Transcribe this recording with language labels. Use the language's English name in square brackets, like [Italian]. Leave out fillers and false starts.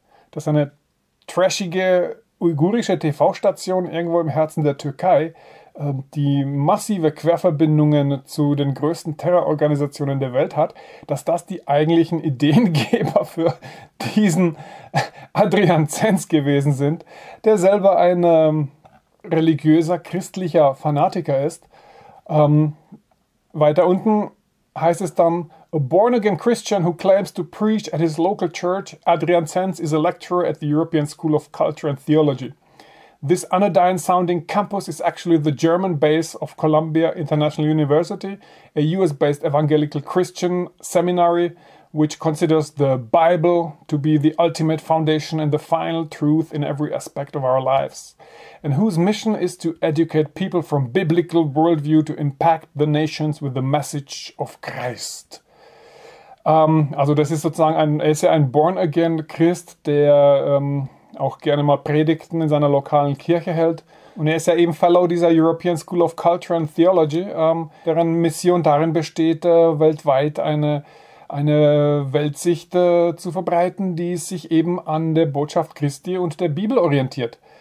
[German] Dass eine trashige uigurische TV-Station irgendwo im Herzen der Türkei, die massive Querverbindungen zu den größten Terrororganisationen der Welt hat, dass das die eigentlichen Ideengeber für diesen Adrian Zenz gewesen sind, der selber ein religiöser, christlicher Fanatiker ist. Weiter unten heißt es dann, [English] a born-again Christian who claims to preach at his local church, Adrian Zenz is a lecturer at the European School of Culture and Theology. This anodyne-sounding campus is actually the German base of Columbia International University, a US-based evangelical Christian seminary, which considers the Bible to be the ultimate foundation and the final truth in every aspect of our lives, and whose mission is to educate people from biblical worldview to impact the nations with the message of Christ. [German] Also das ist sozusagen ein Born-Again-Christ, der auch gerne mal Predigten in seiner lokalen Kirche hält. Und er ist ja eben Fellow dieser European School of Culture and Theology, deren Mission darin besteht, weltweit eine Weltsicht zu verbreiten, die sich eben an der Botschaft Christi und der Bibel orientiert.